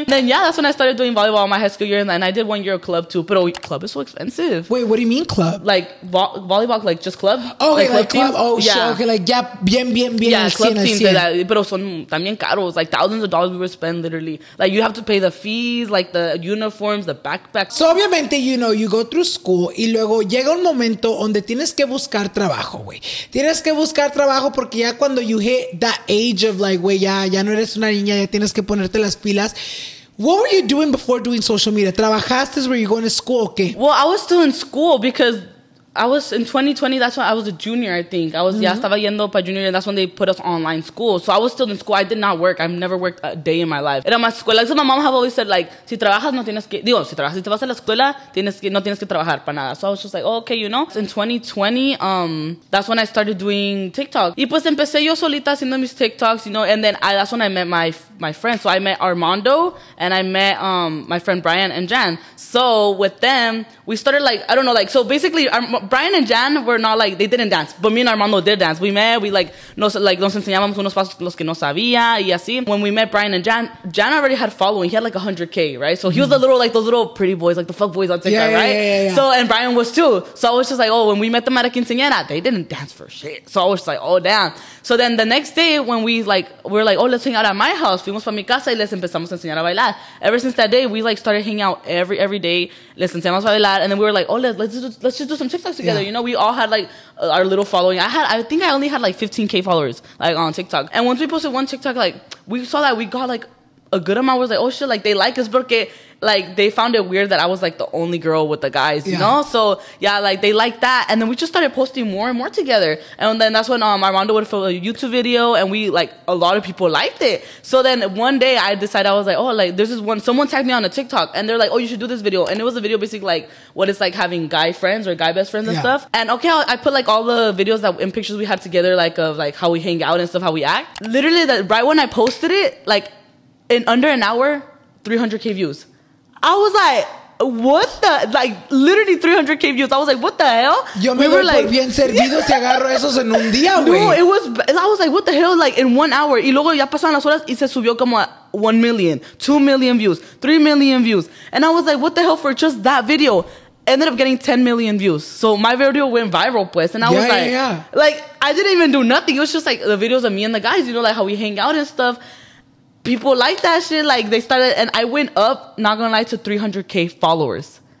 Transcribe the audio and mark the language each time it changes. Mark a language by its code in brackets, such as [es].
[en] And then, yeah, that's when I started doing volleyball in my high school year. And I did 1 year of club, too. But club is so expensive. Wait, what do you mean club? Like, volleyball, like just club. Oh, okay, like club. Oh, yeah. Shit. Okay, like, yeah, [es] bien, bien, bien. [en] Yeah, club team. [es] Pero son también caros. [en] Like, thousands of dollars we would spend, literally. Like, you have to pay the fees, like the uniforms, the backpacks. [es] So, obviamente, [en] you know, you go through school, [es] y luego llega un momento donde tienes que buscar trabajo, güey. Tienes que buscar trabajo porque ya cuando [en] you hit that age of like, [es] güey, ya no eres una niña, ya tienes que ponerte las pilas. [en] What were you doing before doing social media? [es] ¿Trabajaste? [en] ¿Were you going to school? [es] ¿Qué? [en] Well, I was still in school because I was in 2020. That's when I was a junior, I think. I was, mm-hmm. [es] Ya estaba yendo para junior, [en] and that's when they put us online school. So I was still in school. I did not work. I've never worked a day in my life. [es] Era más escuela. [en] So my mom have always said, like, [es] si trabajas, no tienes que... Digo, si trabajas, si te vas a la escuela, no tienes que trabajar para nada. [en] So I was just like, oh, okay, you know? So in 2020, that's when I started doing TikTok. [es] Y pues empecé yo solita haciendo mis TikToks, [en] you know? And then that's when I met my friend. So I met Armando, and I met my friend Brian and Jan. So with them, we started, like, I don't know, like, so basically... Brian and Jan were not like, they didn't dance, but me and Armando did dance. We met, we like, [es] nos enseñábamos unos pasos los que no sabía, y así. [en] When we met Brian and Jan already had following. He had like 100K, right? So he was a little, like those little pretty boys, like the fuck boys on TikTok, yeah, right? Yeah, yeah, yeah, yeah. So, and Brian was too. So I was just like, oh, when we met them at a quinceañera, they didn't dance for shit. So I was just like, oh, damn. So then the next day when we're like, oh, let's hang out at my house. [es] Fuimos para mi casa y les empezamos a enseñar a bailar. [en] Ever since that day, we like started hanging out every day. [es] Les enseñamos a bailar. [en] And then we were like, oh, let's just do some TikToks together. Yeah. You know, we all had like our little following. I think I only had like 15K followers like on TikTok. And once we posted one TikTok, like we saw that we got like a good amount. We was like, oh shit, like they like us porque like they found it weird that I was like the only girl with the guys, you know? So yeah, like they liked that. And then we just started posting more and more together. And then that's when Armando would film a YouTube video, and we like a lot of people liked it. So then one day I decided, I was like, oh, like there's this one, someone tagged me on a TikTok and they're like, oh, you should do this video. And it was a video basically like what it's like having guy friends or guy best friends and stuff. And okay, I put like all the videos that and pictures we had together, like of like how we hang out and stuff, how we act. Literally that right when I posted it, like in under an hour, 300K views. I was like, what the, like literally 300K views. I was like, what the hell? [es] Yo me voy por bien servido si agarro esos en un día, güey. [en] No, it was, I was like, what the hell? Like in 1 hour. [es] Y luego ya pasaron las horas y se subió como a [en] 1 million, 2 million views, [es] 3 million views. [en] And I was like, what the hell for just that video? Ended up getting 10 million views. So my video went viral, pues. And I was like, like, I didn't even do nothing. It was just like the videos of me and the guys, you know, like how we hang out and stuff. People like that shit, like they started, and I went up, not gonna lie, to 300K followers.